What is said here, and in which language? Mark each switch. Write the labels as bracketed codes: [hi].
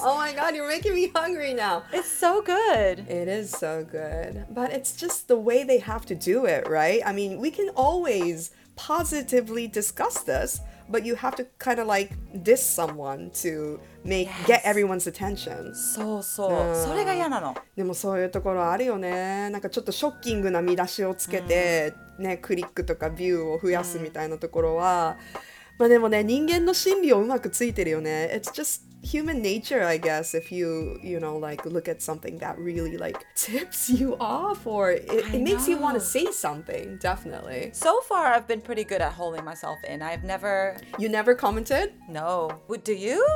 [en] Oh my God, you're making me hungry now. It's so good. It is so good. But it's just the way they have to do it, right? I mean, we can always positively discuss this. But you have to kind of like diss someone to make, yes. get everyone's attention. [ja] そうそう、それが嫌なの。でもそういうところあるよね。なんかちょっとショッキングな見出しをつけて、ね、クリックとかビューを増やすみたいなところは、まあでもね、人間の心理をうまくついてるよね。 [en] It's just human nature, I guess, if you, you know, like, look at something that really, like, tips you off, or it makes you want to say something, definitely. So far, I've been pretty good at holding myself in. I've never... You never commented? No. What, do you?